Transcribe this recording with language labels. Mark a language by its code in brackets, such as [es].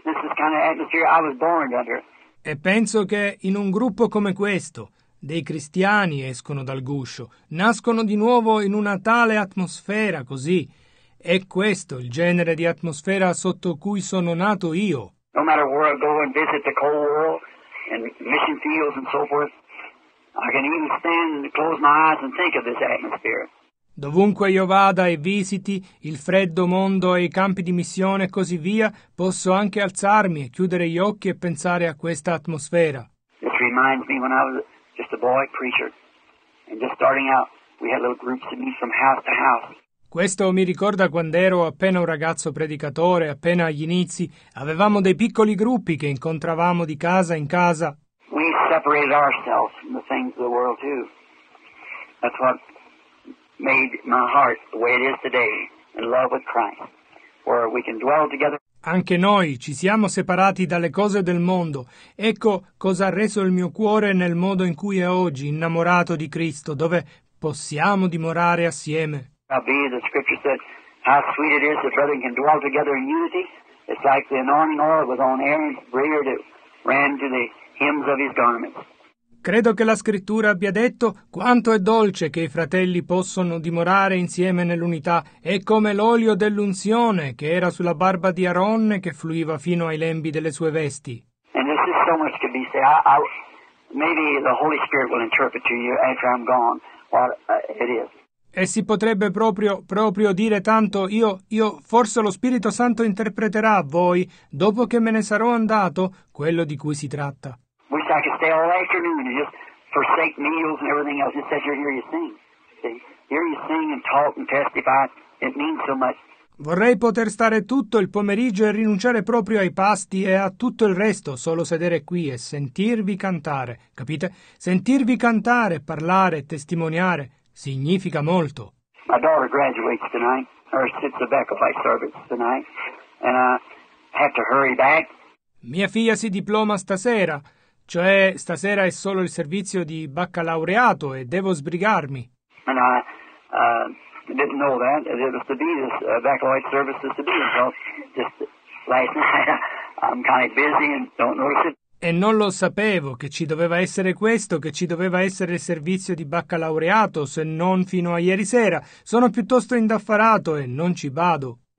[en] This is the kind of atmosphere I was born under. [it] E penso che in un gruppo come questo, dei cristiani escono dal guscio, nascono di nuovo in una tale atmosfera così. È questo il genere di atmosfera sotto cui sono nato io. [en] No matter where I go and visit the cold world and mission fields and so forth, I can even stand and close my eyes and think of this atmosphere. [it] Dovunque io vada e visiti il freddo mondo e i campi di missione e così via, posso anche alzarmi e chiudere gli occhi e pensare a questa atmosfera. [en] This reminds me when I was just a boy preacher and just starting out, we had little groups to meet from house to house. [it] Questo mi ricorda quando ero appena un ragazzo predicatore, appena agli inizi. Avevamo dei piccoli gruppi che incontravamo di casa in casa. [en] We separated ourselves from the things of the world too. That's what made my heart the way it is today, in love with Christ, where we can dwell together. [it] Anche noi ci siamo separati dalle cose del mondo. Ecco cosa ha reso il mio cuore nel modo in cui è oggi, innamorato di Cristo, dove possiamo dimorare assieme. [en] The scripture said, how sweet it is that brethren can dwell together in unity. It's like the anointing oil was on Aaron's beard that ran to the hems of his garments. [it] Credo che la scrittura abbia detto quanto è dolce che i fratelli possono dimorare insieme nell'unità. È come l'olio dell'unzione che era sulla barba di Aaron che fluiva fino ai lembi delle sue vesti. [en] And this is so much to be said. Maybe the Holy Spirit will interpret to you after I'm gone what it is. [it] E si potrebbe proprio dire tanto, io forse lo Spirito Santo interpreterà a voi, dopo che me ne sarò andato, quello di cui si tratta. [en] Wish I could stay all afternoon and just forsake meals and everything else. It says you're here, you sing. See? Here you sing and talk and testify. It means so much. [it] Vorrei poter stare tutto il pomeriggio e rinunciare proprio ai pasti e a tutto il resto, solo sedere qui e sentirvi cantare, capite? Sentirvi cantare, parlare, testimoniare. Significa molto. [en] My daughter graduates tonight, or sits back of my service tonight, and I have to hurry back. [it] Mia figlia si diploma stasera, cioè stasera è solo il servizio di baccalaureato e devo sbrigarmi. [en] And I didn't know that it was to be this baccalaureate service is to be, so just last night I'm kind of busy and don't notice it. [it] E non lo sapevo che ci doveva essere questo, che ci doveva essere il servizio di baccalaureato, se non fino a ieri sera. Sono piuttosto indaffarato e non ci vado.